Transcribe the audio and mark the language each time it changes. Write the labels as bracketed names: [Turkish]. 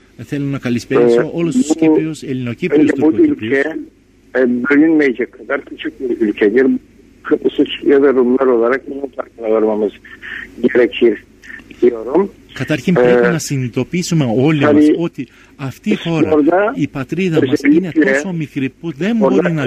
[Greek] Θέλουμε να καλησπέρισω όλους τους Κύπριους, Ελληνοκύπριους, Τουρκοκύπριους. [Turkish] Bölünmeyecek kadar küçük bir ülkedir. Kıbrıs ya da Rumlar olarak bunun farkına varmamız gerekir diyorum. [Greek] Καταρχήν πρέπει να συνειδητοποιήσουμε όλοι μας ότι αυτή η χώρα, η πατρίδα μας είναι τόσο μικρή που δεν μπορεί να